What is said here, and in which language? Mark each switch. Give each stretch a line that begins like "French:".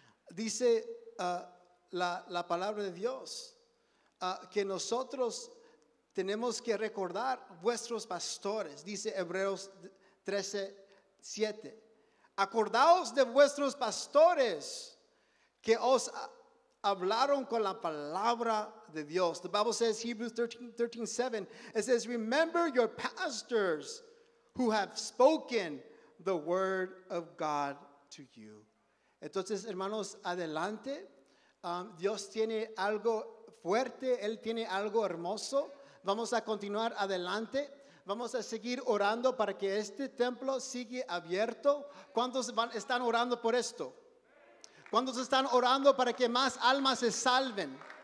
Spanish: Dice la palabra de Dios, que nosotros tenemos que recordar vuestros pastores, dice Hebreos 13:7. Acordaos de vuestros pastores que os hablaron con la palabra de Dios.
English: The Bible says, Hebrews 13:7, it says, remember your pastors who have spoken the word of God to you.
Spanish: Entonces, hermanos, adelante. Dios tiene algo fuerte, Él tiene algo hermoso. Vamos a continuar adelante. Vamos a seguir orando para que este templo siga abierto. ¿Cuántos están orando por esto? ¿Cuántos están orando para que más almas se salven?